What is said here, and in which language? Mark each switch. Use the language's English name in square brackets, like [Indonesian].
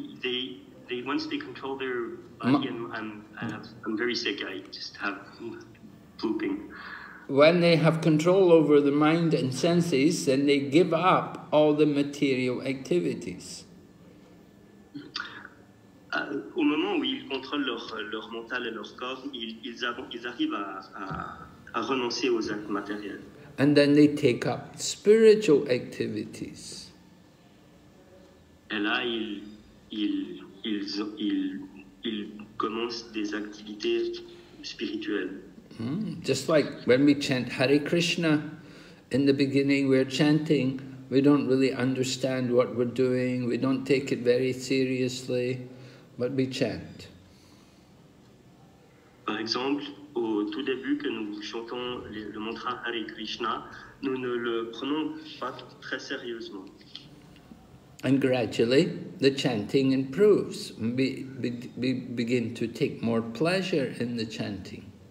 [English] They once they control their body, I'm very sick. I just have pooping. When they have control over the mind and senses, then they give up all the material activities. [French] Au moment où ils contrôlent leur mental et leur corps, ils arrivent à renoncer aux actes matériels. [English] And then they take up spiritual activities. [French] Et là, ils commencent des activités spirituelles. [English] Just like when we chant Hare Krishna, in the beginning we're chanting, we don't really understand what we're doing, we don't take it very seriously, but we chant. [French] Par exemple, au tout début que nous chantons le mantra Hare Krishna, nous ne le prenons pas très sérieusement. [English] And gradually, the chanting improves. We begin to take more pleasure in the chanting.